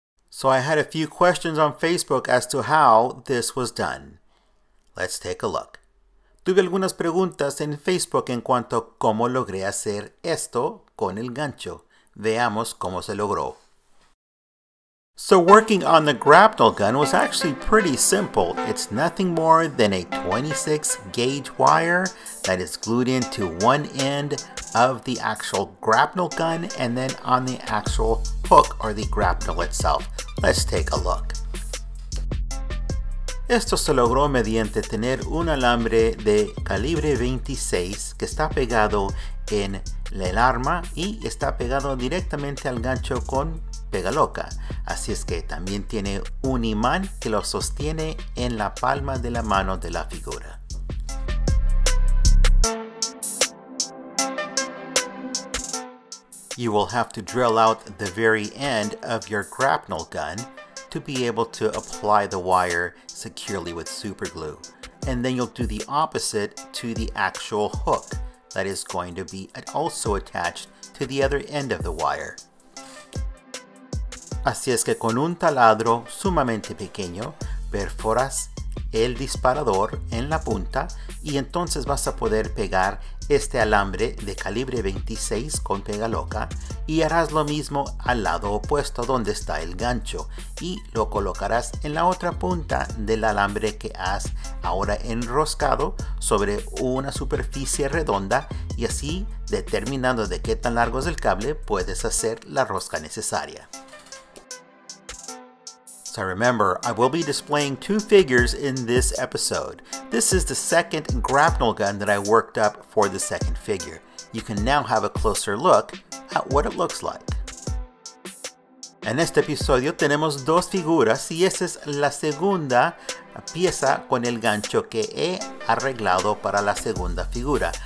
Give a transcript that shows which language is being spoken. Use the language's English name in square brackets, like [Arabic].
[English] So I had a few questions on Facebook as to how this was done. Let's take a look. [Spanish] Tuve algunas preguntas en Facebook en cuanto a cómo logré hacer esto con el gancho. Veamos cómo se logró. [English] So working on the grapnel gun was actually pretty simple. It's nothing more than a 26 gauge wire that is glued into one end of the actual grapnel gun and then on the actual hook or the grapnel itself. Let's take a look. [Spanish] Esto se logró mediante tener un alambre de calibre 26 que está pegado en el arma y está pegado directamente al gancho con pega loca. Así es que también tiene un imán que lo sostiene en la palma de la mano de la figura. [English] You will have to drill out the very end of your grapnel gun to be able to apply the wire securely with super glue. And then you'll do the opposite to the actual hook that is going to be also attached to the other end of the wire. [Spanish] Así es que con un taladro sumamente pequeño, perforas el disparador en la punta y entonces vas a poder pegar este alambre de calibre 26 con pega loca y harás lo mismo al lado opuesto donde está el gancho y lo colocarás en la otra punta del alambre que has ahora enroscado sobre una superficie redonda y así, determinando de qué tan largo es el cable, puedes hacer la rosca necesaria. [English] So remember, I will be displaying two figures in this episode. This is the second grapnel gun that I worked up for the second figure. You can now have a closer look at what it looks like. [Spanish] En este episodio tenemos dos figuras y esta es la segunda pieza con el gancho que he arreglado para la segunda figura.